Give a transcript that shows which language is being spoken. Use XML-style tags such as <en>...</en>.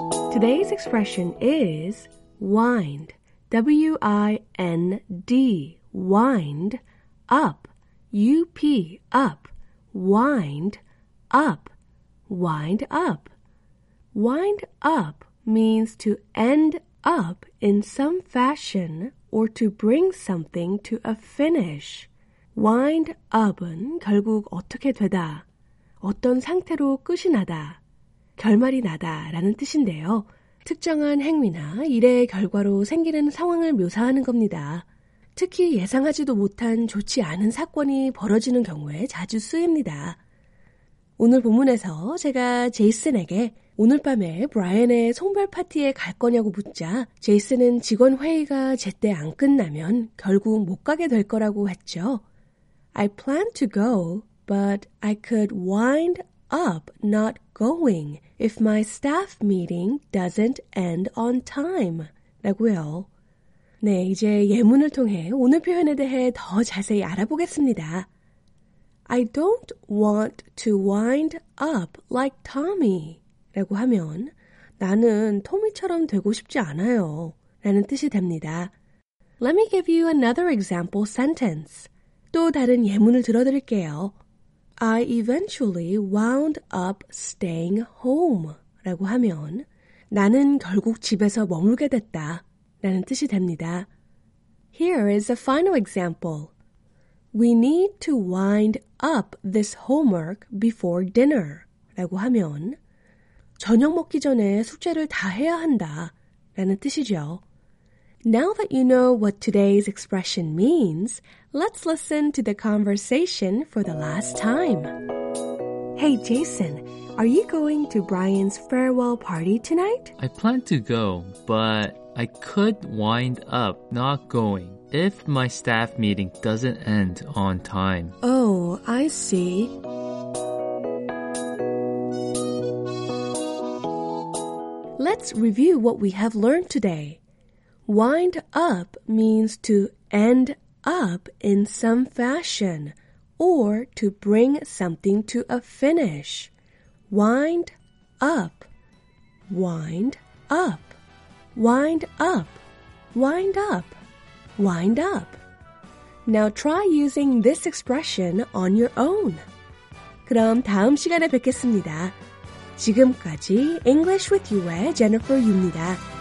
<en>Today's expression is wind, W-I-N-D, wind up, U-P, up, wind up, wind up. Wind up means to end up in some fashion or to bring something to a finish.</en> <ko>Wind up은 결국 어떻게 되다, 어떤 상태로 끝이 나다, 결말이 나다 라는 뜻인데요. 특정한 행위나 일의 결과로 생기는 상황을 묘사하는 겁니다. 특히 예상하지도 못한 좋지 않은 사건이 벌어지는 경우에 자주 쓰입니다. 오늘 본문에서 제가 제이슨에게 오늘 밤에 브라이언의 송별 파티에 갈 거냐고 묻자 제이슨은 직원 회의가 제때 안 끝나면 결국 못 가게 될 거라고 했죠.</ko> <en>I plan to go, but I could wind up not going if my staff meeting doesn't end on time.</en> <ko>라고요. 네, 이제 예문을 통해 오늘 표현에 대해 더 자세히 알아보겠습니다.</ko> <en>I don't want to wind up like Tommy.</en> <ko>라고 하면 나는 토미처럼 되고 싶지 않아요. 라는 뜻이 됩니다.</ko> <en>Let me give you another example sentence.</en> <ko>또 다른 예문을 들어드릴게요.</ko> <en>I eventually wound up staying home</en> <ko>라고 하면 나는 결국 집에서 머물게 됐다 라는 뜻이 됩니다.</ko> <en>Here is a final example. We need to wind up this homework before dinner</en> <ko>라고 하면 저녁 먹기 전에 숙제를 다 해야 한다 라는 뜻이죠.</ko> <en>Now that you know what today's expression means, let's listen to the conversation for the last time. Hey, Jason, are you going to Brian's farewell party tonight? I plan to go, but I could wind up not going if my staff meeting doesn't end on time. Oh, I see. Let's review what we have learned today. Wind up means to end up in some fashion or to bring something to a finish. Wind up, wind up, wind up, wind up, wind up. Now try using this expression on your own.</en> <ko>그럼 다음 시간에 뵙겠습니다. 지금까지 English with You의 Jennifer Yu입니다.</ko>